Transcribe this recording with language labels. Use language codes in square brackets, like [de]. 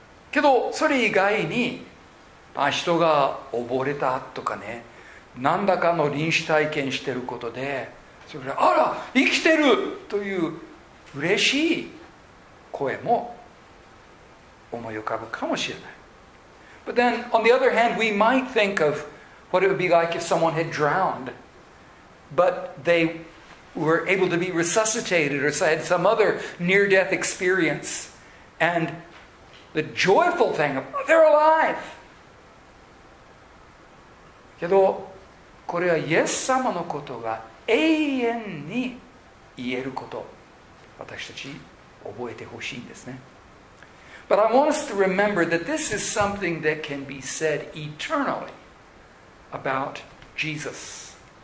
[ja] けどそれ以外に、人が溺れたとかね、何らかの臨死体験してることで、それであら生きてるという嬉しい声も思い浮かぶかもしれない。 [en] But then on the other hand, we might think of what it would be like if someone had drowned, but they were able to be resuscitated or had some other near-death experience, and the joyful thing of they're alive. [ja] けどこれはイエス様のことが永遠に言えること、私たち覚えてほしいんですね。 [en] But I want us to remember that this is something that can be said eternally about Jesus.